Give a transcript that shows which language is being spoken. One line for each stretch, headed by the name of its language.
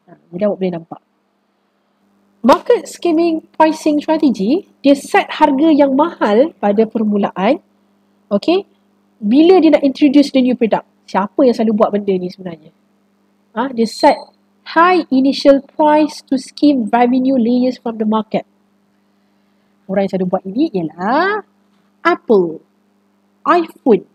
Malay: Mudah awak boleh nampak. Market skimming pricing strategy, dia set harga yang mahal pada permulaan. Okay.
English: Bila dia nak introduce the new product.
Malay: Siapa yang selalu buat benda ni sebenarnya?
English: Dia set high initial price to skim revenue layers from the market.
Malay: Orang yang selalu buat ini ialah Apple, iPhone.